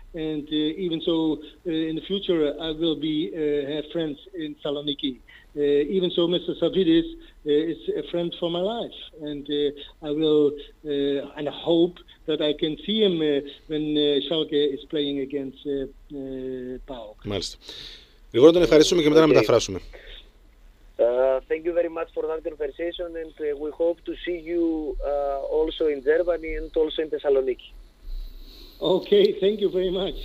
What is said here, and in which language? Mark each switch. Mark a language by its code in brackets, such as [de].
[en] And even so, in the future, I will be have friends in Thessaloniki. Even so, Mr. Savvidis is a friend for my life, and I will and I hope that I can see him when Schalke is playing against PAOK. [el] Μάλιστα. Λοιπόν, τον ευχαριστούμε και μετά να μεταφράσουμε. [en] Thank you very much for that conversation, and we hope to see you also in Germany and also in Thessaloniki. Okay, thank you very much.